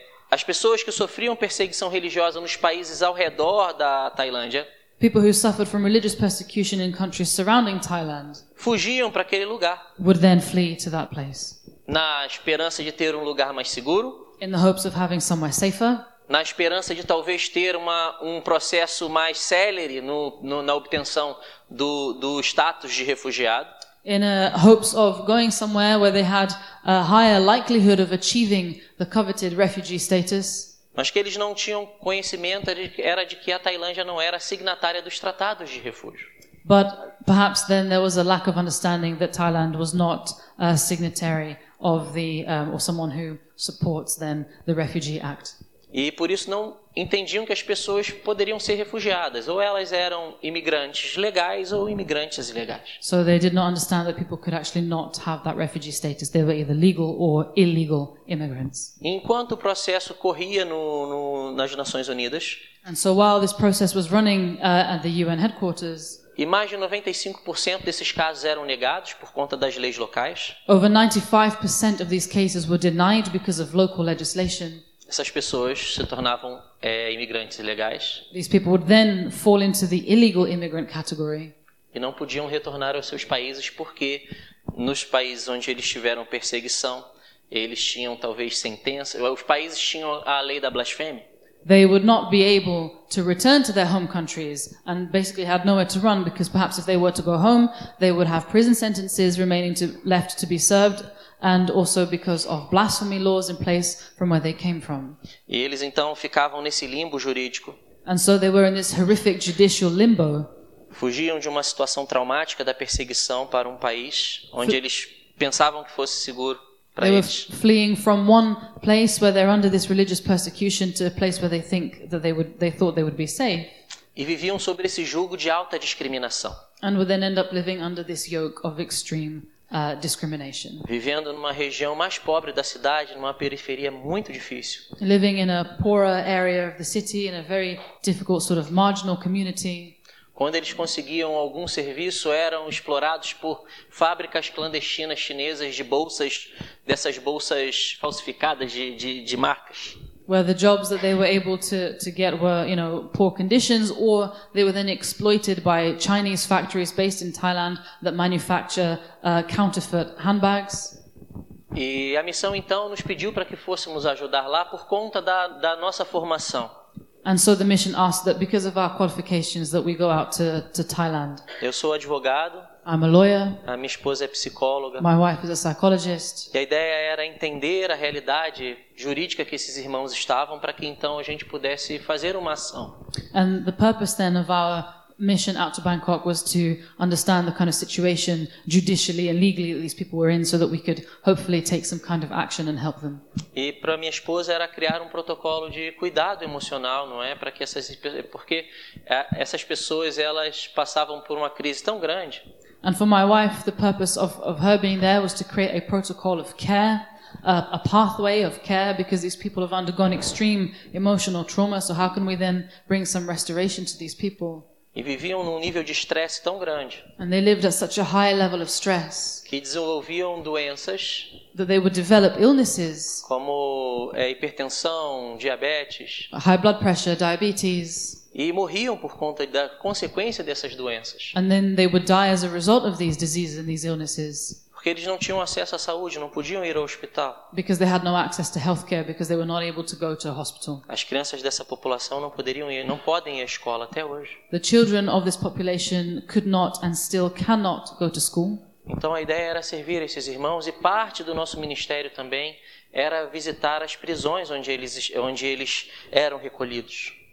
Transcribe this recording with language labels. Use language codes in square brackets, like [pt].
[pt] As pessoas que sofriam perseguição religiosa nos países ao redor da Tailândia, [en] people who suffered from religious persecution in countries surrounding Thailand, [pt] fugiam para aquele lugar, [en] would then flee to that place, [pt] na esperança de ter um lugar mais seguro, [en] in the hopes of having somewhere safer, [pt] na esperança de talvez ter um processo mais célere na obtenção do status de refugiado, [en] in a hopes of going somewhere where they had a higher likelihood of achieving the coveted refugee status. [pt] Mas que eles não tinham conhecimento era de que a Tailândia não era signatária dos tratados de refúgio. [en] But perhaps then there was a lack of understanding that Thailand was not a signatory of the or someone who supports then the Refugee Act. [pt] E por isso não entendiam que as pessoas poderiam ser refugiadas, ou elas eram imigrantes legais ou imigrantes ilegais. [en] So they did not understand that people could actually not have that refugee status. They were either legal or illegal immigrants. [pt] Enquanto o processo corria nas Nações Unidas, [en] and so while this process was running at the UN headquarters, [pt] e mais de 95% desses casos eram negados por conta das leis locais. [en] Over 95% of these cases were denied because of local legislation. [pt] Essas pessoas se tornavam imigrantes ilegais. [en] These people would then fall into the illegal immigrant category. [pt] E não podiam retornar aos seus países porque nos países onde eles tiveram perseguição, eles tinham talvez sentença. Os países tinham a lei da blasfêmia. [en] They would not be able to return to their home countries and basically had nowhere to run because perhaps if they were to go home, they would have prison sentences remaining left to be served. And also because of blasphemy laws in place from where they came from. [pt] E eles então ficavam nesse limbo jurídico. [en] And so they were in this horrific judicial limbo. [pt] fugiam de uma situação traumática da perseguição para um país onde eles pensavam que fosse seguro para eles. [en] They were fleeing from one place where they're under this religious persecution to a place where they think that they thought they would be safe. [pt] E viviam sob esse jugo de alta discriminação. [en] And would then end up living under this yoke of extreme discrimination. [pt] Vivendo numa região mais pobre da cidade, numa periferia muito difícil. [en] Living in a poorer area of the city in a very difficult sort of marginal community. [pt] Quando eles conseguiam algum serviço, eram explorados por fábricas clandestinas chinesas de bolsas, dessas bolsas falsificadas de marcas. [en] Where the jobs that they were able to get were, you know, poor conditions, or they were then exploited by Chinese factories based in Thailand that manufacture counterfeit handbags. [pt] E a missão então nos pediu para que fôssemos ajudar lá por conta da nossa formação. [en] And so the mission asked that because of our qualifications that we go out to Thailand. [pt] Eu sou advogado. [en] I'm a lawyer. [pt] A minha esposa é psicóloga. [en] My wife is a psychologist. [pt] E a ideia era entender a realidade jurídica que esses irmãos estavam para que então a gente pudesse fazer uma ação. [en] And the purpose then of our mission out to Bangkok was to understand the kind of situation judicially and legally that these people were in so that we could hopefully take some kind of action and help them. [pt] E para minha esposa era criar um protocolo de cuidado emocional, não é? Para que essas porque essas pessoas elas passavam por uma crise tão grande. [en] And for my wife, the purpose of her being there was to create a protocol of care, a pathway of care, because these people have undergone extreme emotional trauma, so how can we then bring some restoration to these people? [pt] E viviam num nível de estresse tão grande. [en] And they lived at such a high level of stress, [pt] que desenvolviam doenças. [en] That they would develop illnesses, [pt] como hipertensão, diabetes. [en] High blood pressure, diabetes. [pt] E morriam por conta da consequência dessas doenças. [en] And then they would die as a result of these diseases and these illnesses. [pt] Porque eles não tinham acesso à saúde, não podiam ir ao hospital. [en] Because they had no access to healthcare, because they were not able to go to a hospital. [pt] As crianças dessa população não poderiam ir, não podem ir à escola até hoje. [en] The children of this population could not and still cannot go to school. [pt] Então a ideia era servir esses irmãos e parte do nosso ministério também era visitar as prisões onde eles eram recolhidos.